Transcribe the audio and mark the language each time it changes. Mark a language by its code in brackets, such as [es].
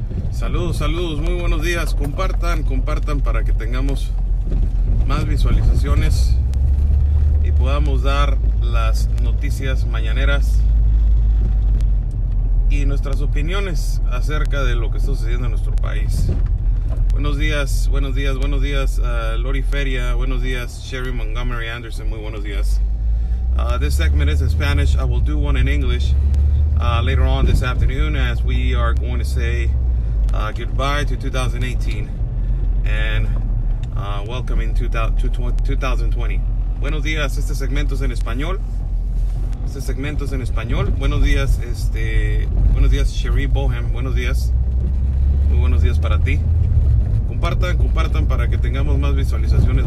[es] Saludos, saludos, muy buenos días. Compartan, compartan para que tengamos más visualizaciones y podamos dar las noticias mañaneras y nuestras opiniones acerca de lo que está sucediendo en nuestro país. Buenos días, buenos días, buenos días, Lori Feria. Buenos días, Sherry Montgomery Anderson. Muy buenos días. [en] This segment is in Spanish. I will do one in English later on this afternoon as we are going to say goodbye to 2018 and welcome into 2020. [es] Buenos días, este segmento es en español. Este segmento es en español. Buenos días, buenos días, Cherie Bohem. Buenos días. Muy buenos días para ti. Compartan, compartan para que tengamos más visualizaciones.